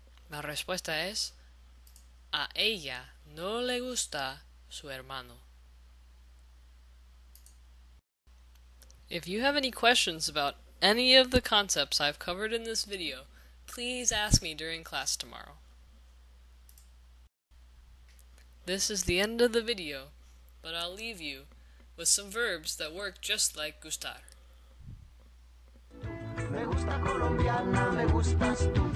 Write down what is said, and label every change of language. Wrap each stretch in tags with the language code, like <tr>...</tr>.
<es>La respuesta es: a ella no le gusta su hermano.</es> <en>If you have any questions about any of the concepts I've covered in this video, please ask me during class tomorrow. This is the end of the video, but I'll leave you with some verbs that work just like gustar.</en> <es>Me gusta colombiana, me gustas tú.</es>